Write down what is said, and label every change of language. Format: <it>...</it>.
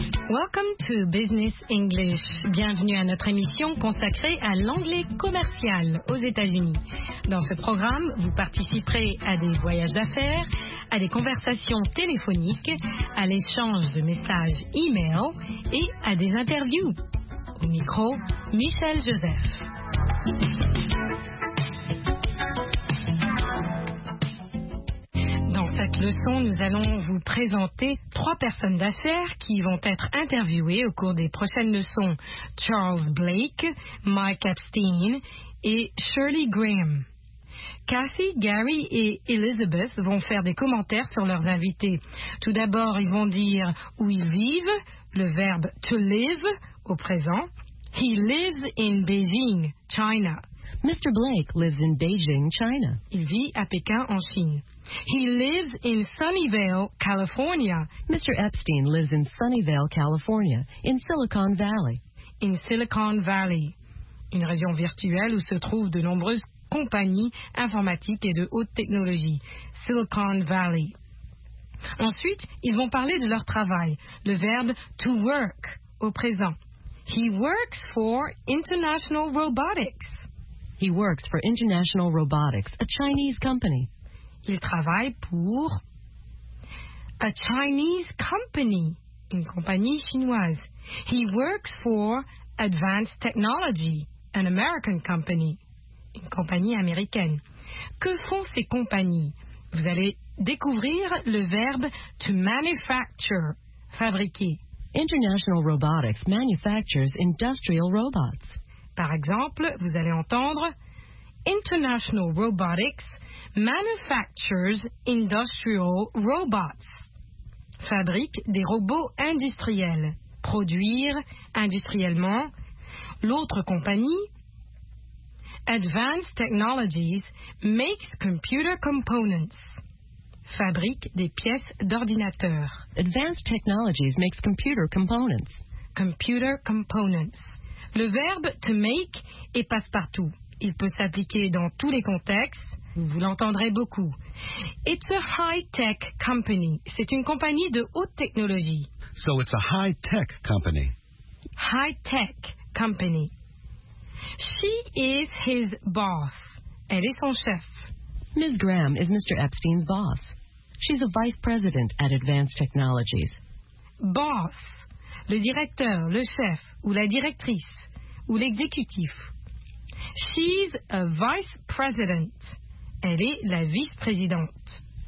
<en>Welcome to Business English.</en> <fr>Bienvenue à notre émission consacrée à l'anglais commercial aux États-Unis. Dans ce programme, vous participerez à des voyages d'affaires, à des conversations téléphoniques, à l'échange de messages e-mail et à des interviews. Au micro, Michel Joseph. Cette leçon, nous allons vous présenter trois personnes d'affaires qui vont être interviewées au cours des prochaines leçons. Charles Blake, Mike Epstein et Shirley Graham. Cathy, Gary et Elizabeth vont faire des commentaires sur leurs invités. Tout d'abord, ils vont dire où ils vivent, le verbe</fr> <en>to live</en> <fr>au présent.</fr> <en>He lives in Beijing, China. Mr. Blake lives in Beijing, China.</en> <fr>Il vit à Pékin, en Chine.</fr> <en>He lives in Sunnyvale, California. Mr. Epstein lives in Sunnyvale, California, in Silicon Valley.</en> <fr>In Silicon Valley, une région virtuelle où se trouvent de nombreuses compagnies informatiques et de haute technologie. Silicon Valley. Ensuite, ils vont parler de leur travail. Le verbe</fr> <en>to work</en> <fr>au présent.</fr> <en>He works for International Robotics. He works for International Robotics, a Chinese company.</en> <fr>Il travaille pour</fr> <en>a Chinese company,</en> <fr>une compagnie chinoise.</fr> <en>He works for Advanced Technology, an American company,</en> <fr>une compagnie américaine. Que font ces compagnies? Vous allez découvrir le verbe</fr> <en>to manufacture,</en> <fr>fabriquer.</fr> <en>International Robotics manufactures industrial robots.</en> <fr>Par exemple, vous allez entendre</fr> <en>International Robotics manufactures industrial robots.</en> <fr>Fabrique des robots industriels. Produire industriellement. L'autre compagnie,</fr> <en>Advanced Technologies makes computer components.</en> <fr>Fabrique des pièces d'ordinateur.</fr> <en>Advanced Technologies makes computer components. Computer components.</en> <fr>Le verbe</fr> <en>to make</en> <fr>est passe-partout. Il peut s'appliquer dans tous les contextes. Vous l'entendrez beaucoup.</fr> <en>It's a high-tech company.</en> <fr>C'est une compagnie de haute technologie.</fr> <en>So it's a high-tech company. High-tech company. She is his boss.</en> <fr>Elle est son chef.</fr> <en>Ms. Graham is Mr. Epstein's boss. She's a vice president at Advanced Technologies. Boss.</en> <fr>Le directeur, le chef, ou la directrice, ou l'exécutif.</fr> <en>She's a vice president.</en> <fr>Elle est la vice-présidente.</fr>